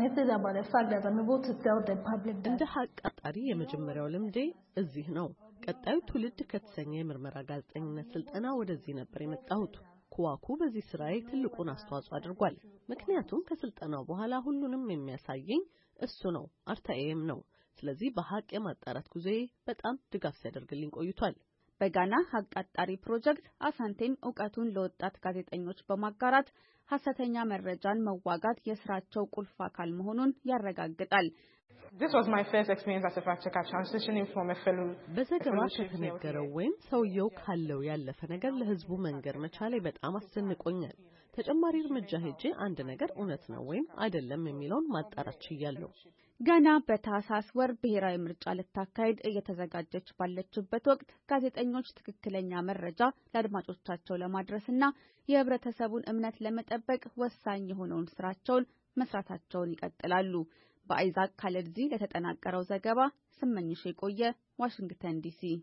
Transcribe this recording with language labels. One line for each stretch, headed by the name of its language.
Amharic: እንደ ሐቃጣሪ የመጀመሪያው ልምዴ እዚህ ነው። ቀጣዩ ትውልድ ከተሰኘ የምርመራ ጋዜጠኝነት ስልጠና ወደዚህ ነበር የመጣሁት። ኳኩ በዚህ ስራ ላይ ትልቁን አስተዋጽኦ አድርጓል። ምክንያቱም ከስልጠናው በኋላ ሁሉንም የሚያሳየኝ እሱ ነው፣ አርታኤም ነው። ስለዚህ በሐቅ የማጣራት ጉዞዬ በጣም ድጋፍ ሲያደርግልኝ ቆይቷል። በጋና ሐቃጣሪ ፕሮጀክት አሳንቴን ዕውቀቱን ለወጣት ጋዜጠኞች በማጋራት ሐሰተኛ መረጃን መዋጋት የስራቸው ቁልፍ አካል መሆኑን ያረጋግጣል።
English: This was my first experience as a fact checker transitioning from a fellow.
Amharic: በዘገባ ከተነገረው ወይም ሰውየው ካለው ያለፈ ነገር ለህዝቡ መንገር መቻሌ በጣም አስደንቆኛል። ተጨማሪ እርምጃ ሄጄ አንድ ነገር እውነት ነው ወይም አይደለም የሚለውን ማጣራት ይያለው። ጋና በታሳስ ወር ብሔራዊ ምርጫ ለታካሄድ እየተዘጋጀች ባለችበት ወቅት ጋዜጠኞች ትክክለኛ መረጃ ለአድማጮቻቸው ለማድረስና የህብረተሰቡን እምነት ለመጠበቅ ወሳኝ የሆነውን ስራቸውን መስራታቸውን ይቀጥላሉ። በአይዛክ ካለድዚ ለተጠናቀረው ዘገባ ስመኝሽ የቆየ ዋሽንግተን ዲሲ።